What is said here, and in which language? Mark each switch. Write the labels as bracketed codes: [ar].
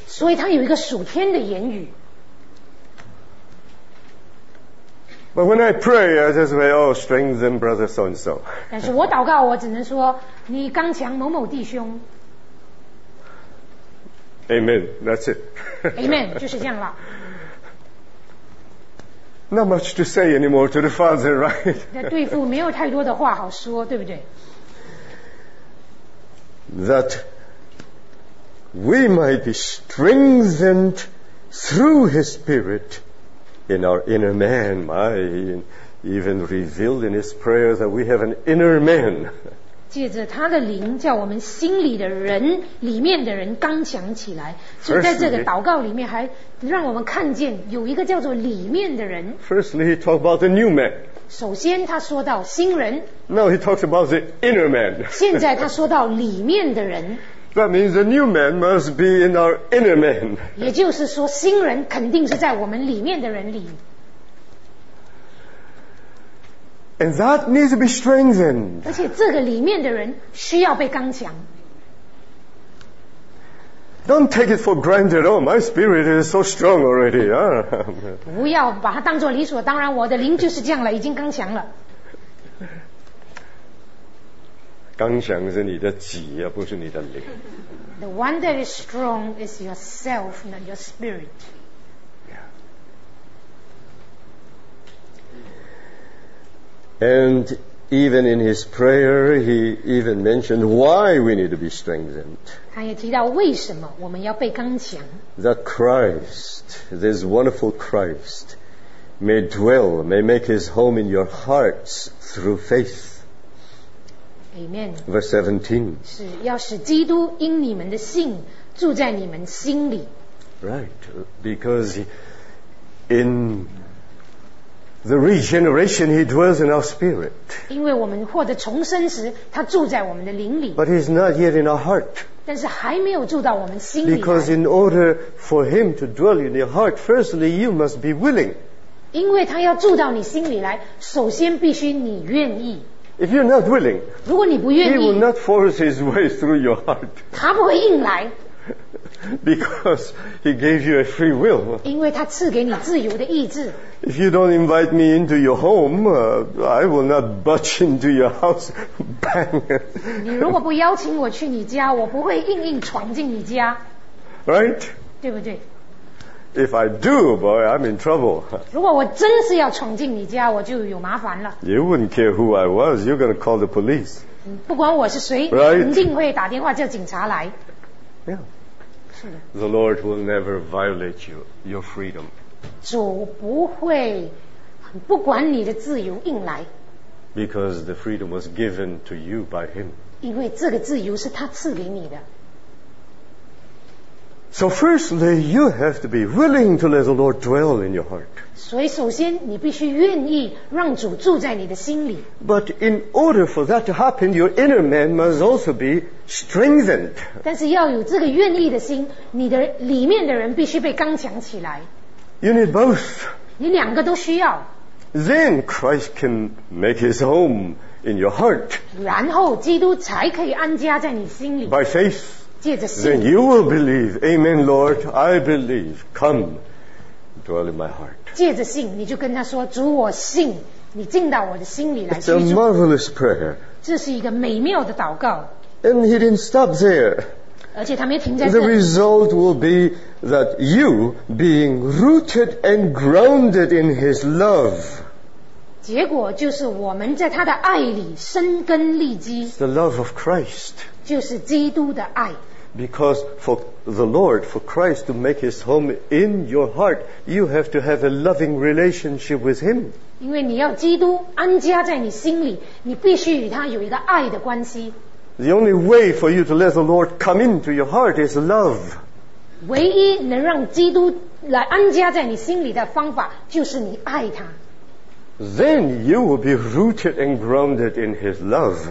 [zh] 所以他有一个属天的言语。 [en] But when I pray, I just say, "Oh, strengthen brother so and so." [zh] 但是我祷告，我只能说你刚强某某弟兄。 [en] Amen. That's it. [zh] Amen. 就是这样了。 [en] Not much to say anymore to the father, right? [zh] 那对父没有太多的话好说，对不对？ [en] That we might be strengthened through his spirit in our inner man. My, even revealed in his prayer that we have an inner man. [zh] 借着他的灵，叫我们心里的人，里面的人刚强起来。所以在这个祷告里面，还让我们看见有一个叫做里面的人。 [en] Firstly, he talked about the new man. [zh] 首先他说到新人。 [en] Now he talks about the inner man. [zh] 现在他说到里面的人。 [en] That means the new man must be in our inner man. [zh] 也就是说，新人肯定是在我们里面的人里。 [en] And that needs to be strengthened. [zh] 而且这个里面的人需要被刚强。 [en] Don't take it for granted. Oh, my spirit is so strong already. [zh] 不要把它当作理所当然。我的灵就是这样了，已经刚强了。刚强是你的己，不是你的灵。 [en] The one that is strong is yourself, not your spirit. And even in his prayer, he even mentioned why we need to be strengthened. [zh] 他也提到为什么我们要被刚强。 [en] That Christ, this wonderful Christ, may dwell, may make his home in your hearts through faith. Amen. Verse 17. [zh] 是要使基督因你们的信住在你们心里。 [en] Right, because in the regeneration, he dwells in our spirit. [zh] 因为我们获得重生时，他住在我们的灵里。 [en] But he is not yet in our heart. [zh] 但是还没有住到我们心里。 [en] Because in order for him to dwell in your heart, firstly you must be willing. [zh] 因为他要住到你心里来，首先必须你愿意。 [en] If you're not willing, [zh] 如果你不愿意， [en] he will not force his way through your heart. [zh] 他不会硬来。 [en] Because he gave you a free will. [zh] 因为他赐给你自由的意志。 [en] If you don't invite me into your home, I will not butt into your house, bang. [zh] 你如果不邀请我去你家，我不会硬硬闯进你家。 [en] Right? [zh] 对不对？ [en] If I do, boy, I'm in trouble. [zh] 如果我真是要闯进你家，我就有麻烦了。 [en] You wouldn't care who I was. You're going to call the police. [zh] 不管我是谁， [en] right? [zh] 肯定会打电话叫警察来。 [en] The Lord will never violate you, your freedom. [zh] 主不会不管你的自由硬来。 [en] Because the freedom was given to you by him. [zh] 因为这个自由是他赐给你的。 [en] So firstly, you have to be willing to let the Lord dwell in your heart. [zh] 所以首先你必须愿意让主住在你的心里。 [en] But in order for that to happen, your inner man must also be strengthened. [zh] 但是要有这个愿意的心，你的里面的人必须被刚强起来。 [en] You need both. [zh] 你两个都需要。 [en] Then Christ can make his home in your heart. [zh] 然后基督才可以安家在你心里。 [en] By faith. [zh] 借着信。 [en] Then you will believe. Amen, Lord. I believe. Come, dwell in my heart. [zh] 借着信，你就跟他说：“主，我信，你进到我的心里来居住。” [en] It's a marvelous prayer. [zh] 这是一个美妙的祷告。 [en] And he didn't stop there. [zh] 而且他没停在这里。 [en] The result will be that you being rooted and grounded in His love. [zh] 结果就是我们在他的爱里生根立基。 [en] The love of Christ. [zh] 就是基督的爱。 [en] Because for the Lord, for Christ to make His home in your heart, you have to have a loving relationship with Him. [zh] 因为你要基督安家在你心里，你必须与他有一个爱的关系。 [en] The only way for you to let the Lord come into your heart is love. [zh] 唯一能让基督来安家在你心里的方法，就是你爱他。 [en] Then you will be rooted and grounded in His love.